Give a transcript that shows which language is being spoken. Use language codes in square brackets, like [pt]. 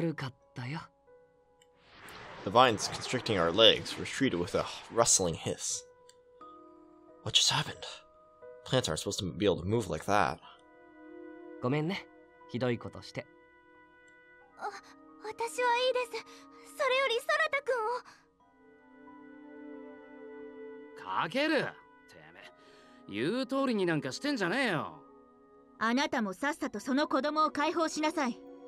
[ja] でもそうやってこの子たちの情報を得るのは正しいのかしら？悪かったよ。The [en] vines constricting our legs retreated with a rustling hiss. What just happened? Plants aren't supposed to be able to move like that. [ja] ごめんね、ひどいことして。あ、私はいいです。それより、サラタ君を。かタケル、てめえ、言う通りになんかしてんじゃねえよ。あなたもさっさとその子供を解放しなさい。